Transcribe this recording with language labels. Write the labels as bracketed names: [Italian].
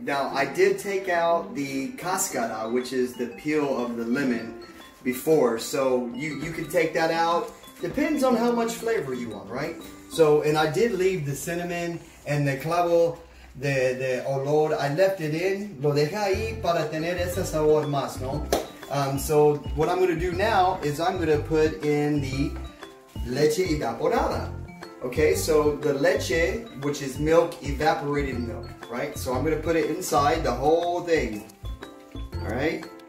[English] Now I did take out the cascara, which is the peel of the lemon, before, so you can take that out. Depends on how much flavor you want, right? So, and I did leave the cinnamon and the clavo, the olor, I left it in. [Spanish] Lo dejé ahí para tener ese sabor más, no? [English] So what I'm gonna do now is I'm gonna put in the leche evaporada. Okay, so the leche, which is milk, evaporated milk, right? So I'm gonna put it inside the whole thing, all right?